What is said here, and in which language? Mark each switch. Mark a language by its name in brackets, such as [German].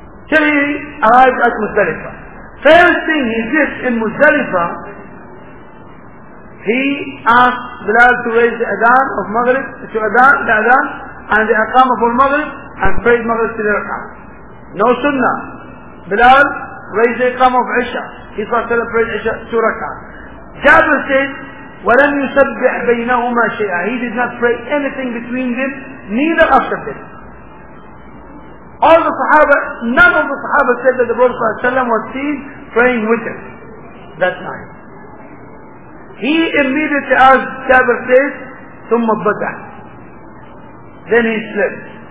[English] Till he arrived at Muzdalifah. First thing he did in Muzdalifah, he asked Bilal to raise the Adhan of Maghrib, to Adhan, the Adhan, and the Aqamah for Maghrib, and prayed Maghrib to the Aqamah. No Sunnah. Bilal raised the Aqamah of Isha. He thought to pray Isha to Rakah. Jabir said, [Arabic] وَلَمْ يُسَبِّحْ بَيْنَهُمَا شَيْئًا. [English] He did not pray anything between them, neither after them. All the Sahaba, none of the Sahaba said that the Prophet ﷺ was seen praying with him that night. He immediately asked Jabir says, [Arabic] ثُمَّ بَدَعْ. [English] Then he slept.